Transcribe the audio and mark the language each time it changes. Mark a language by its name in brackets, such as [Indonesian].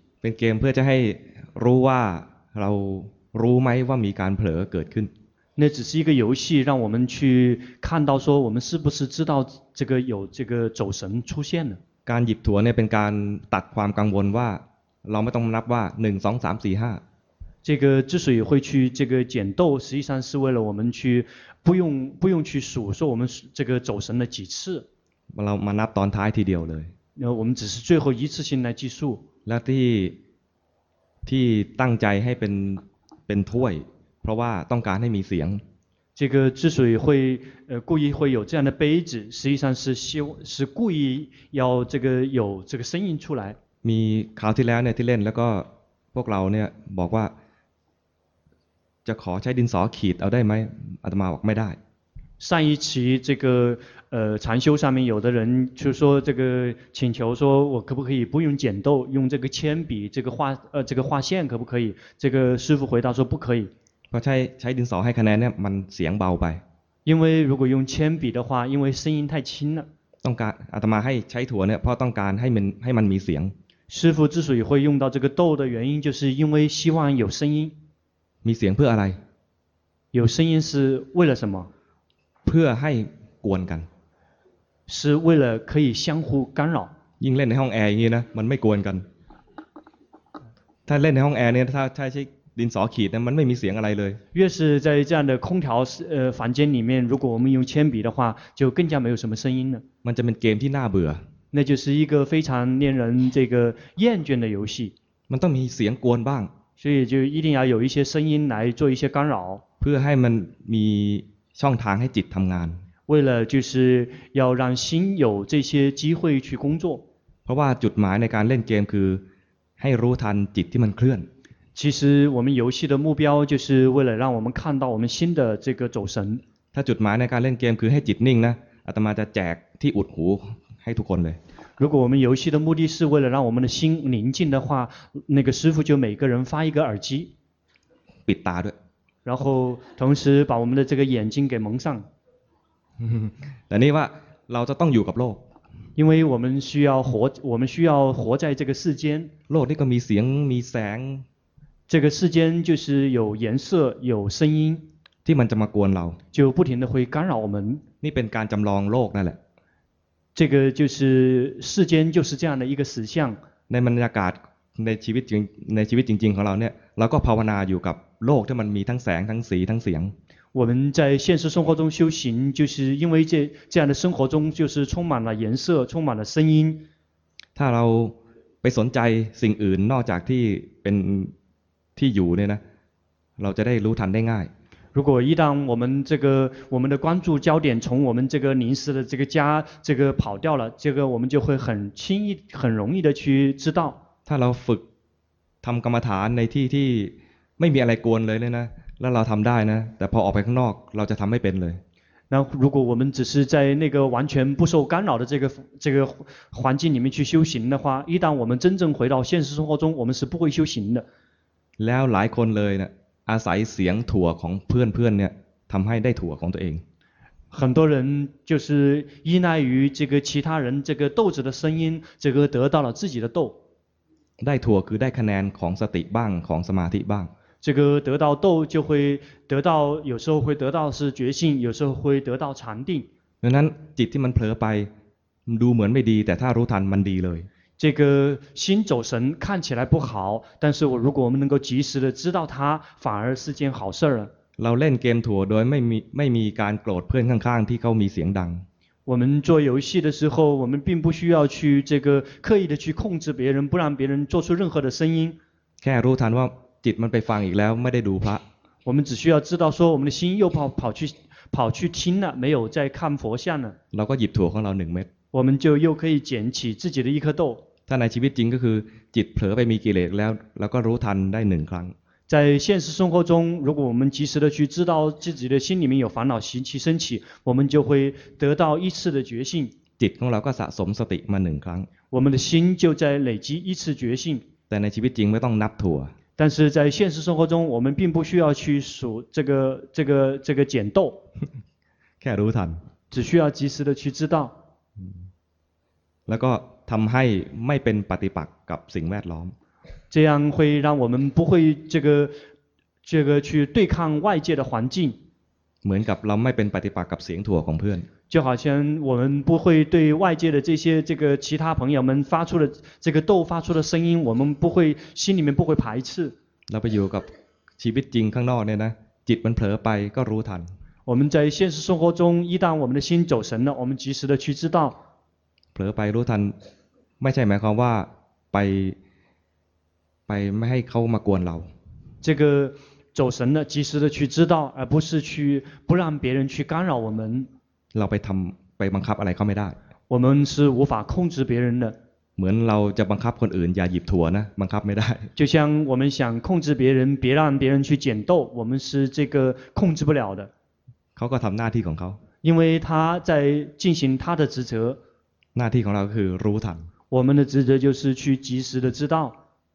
[Thai] เป็นเกมเพื่อจะให้รู้ว่าเรารู้ไหมว่ามีการเผลอเกิดขึ้น [Chinese] 那只是一个游戏，让我们去看到说我们是不是知道这个有这个走神出现了。 [Thai] การหยิบถั่วเนี่ยเป็นการตัดความกังวลว่าเราไม่ต้องนับว่า1 2 3 4 5 [Chinese] 这个之所以会去这个捡豆，实际上是为了我们去不用去数说我们这个走神了几次。 [Thai] เรามานับตอนท้ายทีเดียวเลย。 [Chinese] 那我们只是最后一次性来计数。 [Thai] และที่ตั้งใจให้เป็นถ้วยเพราะว่าต้องการให้มีเสียง [Chinese] 这个之所以会故意会有这样的杯子实际上是故意要这个有这个声音出来 [Thai] มีคราวที่แล้วเนี่ยที่เล่นแล้วก็พวกเราเนี่ยบอกว่าจะขอใช้ดินสอขีดเอาได้ไหมอาตมาบอกไม่ได้ [Chinese] 上一期这个禅修上面有的人就说这个请求说我可不可以不用剪豆用这个铅笔这个画这个画线可不可以这个师父回答说不可以 [Thai] เพราะใช้ดินสอให้คะแนนเนี่ยมันเสียงเบาไป [Chinese] 因为如果用铅笔的话因为声音太轻了 [Thai] ต้องการอาตมาให้ใช้ถั่วเนี่ยเพราะต้องการให้มันมีเสียง [Chinese] 师父之所以会用到这个豆的原因就是因为希望有声音 [Thai] มีเสียงเพื่ออะไร [Chinese] 有声音是为了什么 [Thai] เพื่อให้กวนกัน [Chinese] 是为了可以相互干扰 [Thai] ยิ่งเล่นในห้องแอร์อย่างนี้นะมันไม่กวนกันถ้าเล่นในห้องแอร์เนี่ยถ้าใช้ดินสอขีดนั้นมันไม่มีเสียงอะไรเลย [Chinese] 越是在这样的空调房间里面如果我们用铅笔的话就更加没有什么声音了 [Thai] มันจะเป็นเกมที่น่าเบื่อ [Chinese] 那就是一个非常令人这个厌倦的游戏 [Thai] มันต้องมีเสียงกวนบ้าง [Chinese] 所以就一定要有一些声音来做一些干扰 [Thai] เพื่อให้มันมีช่องทางให้จิตทำงาน [Chinese] 为了就是要让心有这些机会去工作 [Thai] เพราะว่าจุดหมายในการเล่นเกมคือให้รู้ทันจิตที่มันเคลื่อน [Chinese] 其实我们游戏的目标就是为了让我们看到我们新的这个走神 [Thai] ถ้าจุดหมายในการเล่นเกมคือให้จิตนิ่งนะอาตมาจะแจกที่อุดหูให้ทุกคนเลย [Chinese] 如果我们游戏的目的是为了让我们的心宁静的话那个师父就每个人发一个耳机 [Thai] ปิดตาด้วย [Chinese] 然后同时把我们的这个眼睛给蒙上 [Thai] แต่นี่ว่าเราจะต้องอยู่กับโลก [Chinese] 因为我们需要活在这个世间 [Thai] โลกนี่ก็มีเสียงมีแสง [Chinese] 这个世间就是有颜色有声音 [Thai] ที่มันจะมากวนเรา [Chinese] 就不停的会干扰我们 [Thai] นี่เป็นการจำลองโลกนั่นแหละ [Chinese] 这个就是世间就是这样的一个实相 [Thai] ในบรรยากาศในชีวิตจริงๆของเราเนี่ยเราก็ภาวนาอยู่กับโลกที่มันมีทั้งแสงทั้งสีทั้งเสียง [Chinese] 我们在现实生活中修行就是因为这样的生活中就是充满了颜色充满了声音 [Thai] ถ้าเราไปสนใจสิ่งอื่นนอกจากที่อยู่เนี่ยนะเราจะได้รู้ทันได้ง่าย [Chinese] 如果一旦我们的关注焦点从我们这个临时的这个家这个跑掉了这个我们就会很容易的去知道 [Thai] ถ้าเราฝึกทำกรรมฐานในที่ไม่มีอะไรกวนเลยเนี่ยนะแล้วเราทำได้นะแต่พอออกไปข้างนอกเราจะทำไม่เป็นเลย [Chinese] 那如果我们只是在那个完全不受干扰的这个环境里面去修行的话一旦我们真正回到现实生活中我们是不会修行的 [Thai] แล้วหลายคนเลยนะอาศัยเสียงถั่วของเพื่อนเนี่ยทำให้ได้ถั่วของตัวเอง [Chinese] 很多人就是依赖于这个其他人这个豆子的声音这个得到了自己的豆 [Thai] ได้ถั่วคือได้คะแนนของสติบ้างของสมาธิบ้าง [Chinese] 这个得到豆就会得到有时候会得到是觉性有时候会得到禅定 [Thai] ดังนั้นจิตที่มันเผลอไปดูเหมือนไม่ดีแต่ถ้ารู้ทันมันดีเลย [Chinese] 这个心走神看起来不好但是如果我们能够及时的知道它反而是件好事了 [Thai] เราเล่นเกมถั่วโดยไม่มีการโกรธเพื่อนข้างๆที่เขามีเสียงดัง [Chinese] 我们做游戏的时候我们并不需要去这个刻意的去控制别人不让别人做出任何的声音 [Thai] แค่รู้ทันว่าจิตมันไปฟังอีกแล้วไม่ได้ดูพระ [Chinese] 我们只需要知道说我们的心又 跑去听了，没有在看佛像了。 [Thai] เราก็หยิบถั่วของเราหนึ่งเม็ด。 [Chinese] 我们就又可以捡起自己的一颗豆。 [Thai] ถ้าในชีวิตจริงก็คือจิตเผลอไปมีกิเลสแล้วเราก็รู้ทันได้หนึ่งครั้ง。 [Chinese] 在现实生活中，如果我们及时的去知道自己的心里面有烦恼习气升起，我们就会得到一次的觉性。 [Thai] จิตของเราก็สะสมสติมาหนึ่งครั้ง。 [Chinese] 我们的心就在累积一次觉性。 [Thai] แต่ในชีวิตจริงไม่ต้องนับถั่ว。 [Chinese] 但是在现实生活中，我们并不需要去数这个剪豆， [Thai] แค่รู้ทัน， [Chinese] 只需要及时的去知道， [Thai] แล้วก็ทำให้ไม่เป็นปฏิปักษ์กับสิ่งแวดล้อม， [Chinese] 这样会让我们不会这个去对抗外界的环境， [Thai] เหมือนกับเราไม่เป็นปฏิปักษ์กับเสียงถั่วของเพื่อน， [Chinese] 就好像我们不会对外界的这个其他朋友们发出的这个豆发出的声音，我们不会心里面不会排斥。 [Thai] เราไปอยู่กับชีวิตจริงข้างนอกเนี่ยนะจิตมันเผลอไปก็รู้ทัน。 [Chinese] 我们在现实生活中，一旦我们的心走神了，我们及时的去知道。 [Thai] เผลอไปรู้ทันไม่ใช่หมายความว่าไปไม่ให้เขามากวนเรา。 [Chinese] 这个走神了，及时的去知道，而不是去不让别人去干扰我们。 [Thai] เราไปทำไปบังคับอะไรเขาไม่ได้ [Chinese] 我们是无法控制别人的 [Thai] เหมือนเราจะบังคับคนอื่นอย่าหยิบถั่วนะบังคับไม่ได้ [Chinese] 就像我们想控制别人别让别人去捡豆我们是这个控制不了的 [Thai] เขาก็ทำหน้าที่ของเขา [Chinese] 因为他在进行他的职责 [Thai] หน้าที่ของเราคือรู้ทัน [Chinese] 我们的职责就是去及时的知道